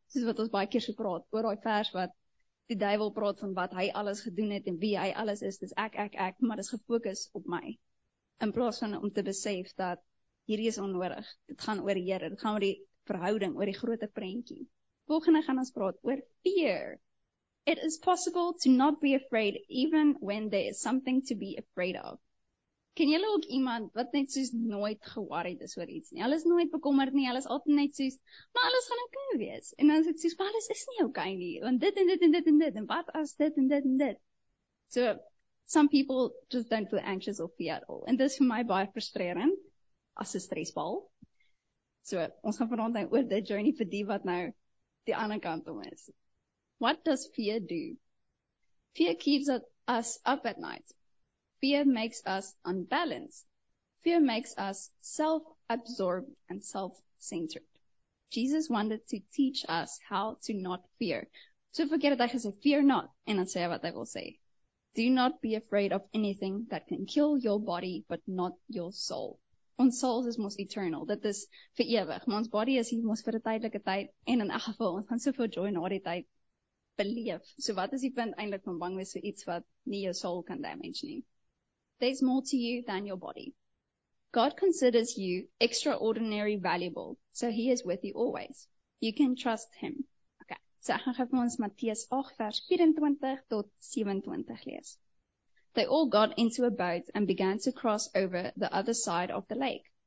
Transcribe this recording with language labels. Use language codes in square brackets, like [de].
[af] Soos wat ons baie keer so praat, oor die vers wat die duivel praat van wat hy alles gedoen het en wie hy alles is, dis ek, maar dis gefokus op my. In plaas van om te besef dat hierdie is onnodig, dit gaan oor die Here, dit gaan oor die verhouding, oor die groter prentjie. Volgende gaan ons praat oor fear. [en] It is possible to not be afraid even when there is something to be afraid of. [af] Ken jy ook iemand wat net soos nooit ge-worried is oor iets nie? Hulle is nooit bekommerd nie, hulle is altyd net soos, maar alles gaan okay wees. En dan is dit soos, maar alles is nie okay nie, want dit en dit en dit en dit, en wat as dit en dit en dit. [en] So, some people just don't feel anxious or fear at all. And this is [af] vir my baie frustrerend, as 'n stresbal. So ons gaan vanaand dan oor dit journey vir die wat nou die ander kant om is. [en] What does fear do? Fear keeps us up at night. Fear makes us unbalanced. Fear makes us self-absorbed and self-centered. Jesus wanted to teach us how to not fear. So forget that he said, fear not, and then say what they will say. Do not be afraid of anything that can kill your body, but not your soul. [af] Ons souls is mos eternal, dit is vir ewig, maar ons body is hier mos vir 'n tydelike tyd, en in elk geval, ons gaan soveel joy na die tyd beleef. So wat is die punt eintlik van bang wees vir iets wat nie jou soul kan damage nie? [en] There's more to you than your body. God considers you extraordinary valuable, so he is with you always. You can trust him. [af] Okay, so ek gaan gee vir ons Matteus 8 vers 24 tot 27 lees. [en] They all got into a boat and began to cross over the other side of the lake.